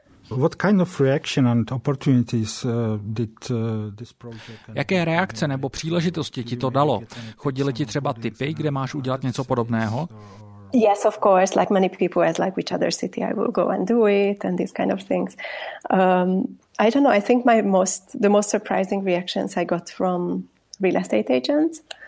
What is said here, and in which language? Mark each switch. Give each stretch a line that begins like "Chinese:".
English: What kind of reaction and opportunities did this project?
Czech: Jaké reakce nebo příležitosti ti to dalo? Chodili ti třeba tipy, kde máš udělat něco podobného?
English: Yes, of course. Many people ask, which other city I will go and do it, and these kind of things. I don't know. I think the most surprising reactions I got from real estate agents.